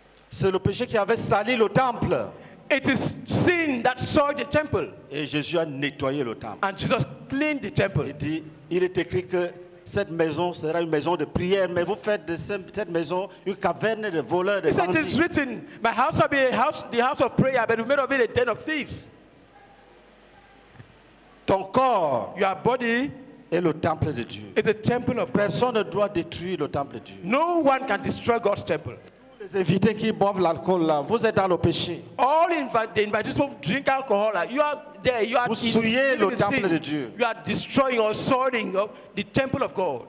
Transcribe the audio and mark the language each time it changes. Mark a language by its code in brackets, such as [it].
[fr] C'est le péché qui avait sali le temple. [en] It is sin that soiled the temple. [fr] Et Jésus a nettoyé le temple. [en] And Jesus cleaned the temple. [fr] Il dit, il est écrit que cette maison sera une maison de prière, mais vous faites de cette maison une caverne de voleurs, de bandits. [en] It is written, my house shall be a house, the house of prayer, but you made of it a den of thieves. [fr] Ton corps, [en] your body, [fr] est le temple de Dieu. [en] It's a temple of [fr] personne ne doit détruire le temple de Dieu. [en] No one can destroy God's temple. [fr] les invités qui boivent l'alcool là, vous êtes dans le péché. [en] All the invited who drink alcohol, you are there, you are. [fr] Vous souillez le temple de Dieu. [en] You are destroying or soiling the temple of God.